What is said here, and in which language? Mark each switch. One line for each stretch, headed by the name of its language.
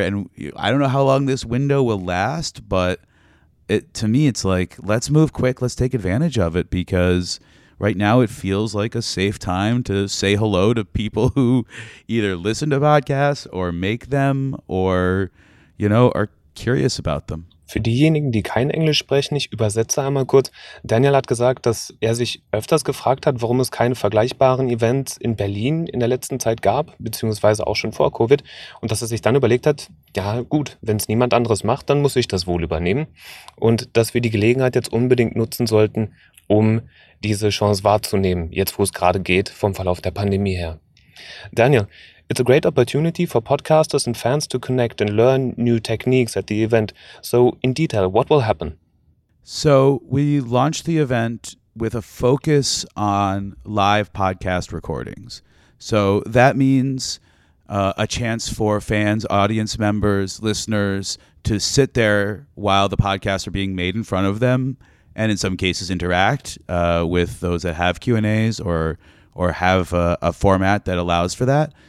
English: And I don't know how long this window will last, but it's like, let's move quick. Let's take advantage of it, because right now it feels like a safe time to say hello to people who either listen to podcasts or make them or, are curious about them.
German: Für diejenigen, die kein Englisch sprechen, ich übersetze einmal kurz. Daniel hat gesagt, dass er sich öfters gefragt hat, warum es keine vergleichbaren Events in Berlin in der letzten Zeit gab, beziehungsweise auch schon vor Covid, und dass er sich dann überlegt hat, ja gut, wenn es niemand anderes macht, dann muss ich das wohl übernehmen, und dass wir die Gelegenheit jetzt unbedingt nutzen sollten, um diese Chance wahrzunehmen, jetzt wo es gerade geht, vom Verlauf der Pandemie her.
English: Daniel, it's a great opportunity for podcasters and fans to connect and learn new techniques at the event. So in detail, what will happen? So we launched the event with a focus on live podcast recordings. So that means a chance for fans, audience members, listeners to sit there while the podcasts are being made in front of them, and in some cases interact with those that have Q&As or have a format that allows for that.